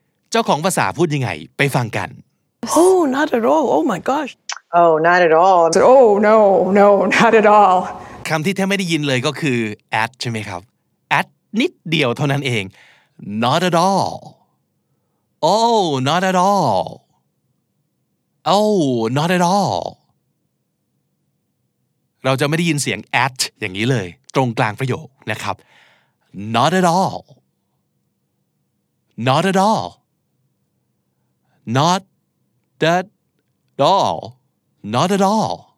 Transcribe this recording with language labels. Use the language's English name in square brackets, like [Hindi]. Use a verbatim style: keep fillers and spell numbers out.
[Thai] เจ้าของภาษาพูดยังไงไปฟังกัน [English] Oh, not at all. Oh my gosh. Oh, not at all. Oh, no, no, not at all. [Thai] คำที่แทบไม่ได้ยินเลยก็คือ at ใช่ไหมครับ at นิดเดียวเท่านั้นเอง not at all. [English] Oh, not at all. Oh, not at all. [Thai] เราจะไม่ได้ยินเสียง at อย่างนี้เลยตรงกลางประโยคนะครับ not at all not at all not at all not at all